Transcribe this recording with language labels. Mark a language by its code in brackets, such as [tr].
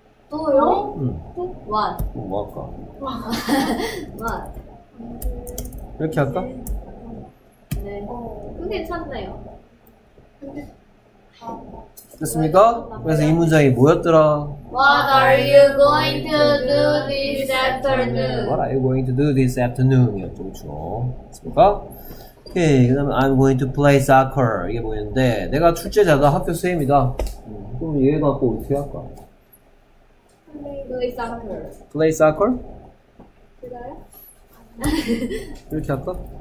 [ko] 또요? 응 또? [en] What? [ko] 뭐 할까? [en] What? [ko] 이렇게 할까? 네 그게 괜찮네요. 됐습니까? 그래서 이 문장이 뭐였더라? [en] What are you going to do this afternoon? What are you going to do this afternoon? [ko] 이었죠 그렇죠 됐습니까? 오케이 그 다음에 [en] I'm going to play soccer [ko] 이게 보이는데 내가 출제자다 학교 선생님이다 그럼 얘 갖고 어떻게 할까? [en] Play soccer? [ko] 그래요? 이렇게 할까?